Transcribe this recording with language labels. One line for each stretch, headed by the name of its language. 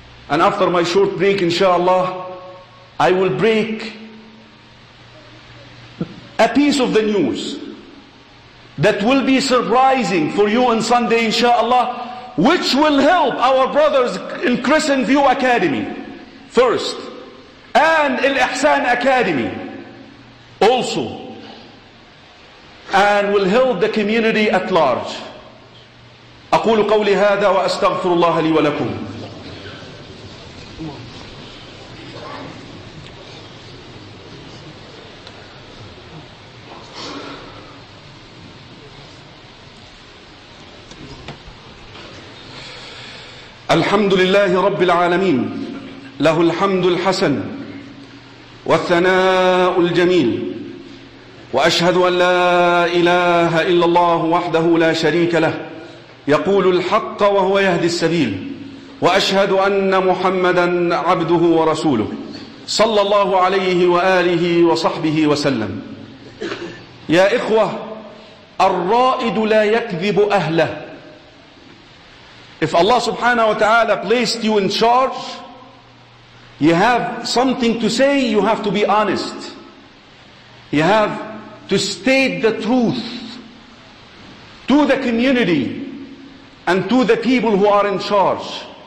English: And after my short break, inshallah, I will break a piece of the news that will be surprising for you on Sunday, inshallah, which will help our brothers in Crescent View Academy first, and Al Ihsan Academy also, and will help the community at large.
Arabic: أقول قولي هذا وأستغفر الله لي ولكم. الحمد لله رب العالمين له الحمد الحسن والثناء الجميل وأشهد أن لا إله إلا الله وحده لا شريك له يقول الحق وهو يهدي السبيل وأشهد أن محمدًا عبده ورسوله صلى الله عليه وآله وصحبه وسلم. يا إخوة، الرائد لا يكذب أهله.
English: If Allah subhanahu wa ta'ala placed you in charge, you have something to say, you have to be honest. You have to state the truth to the community and to the people who are in charge.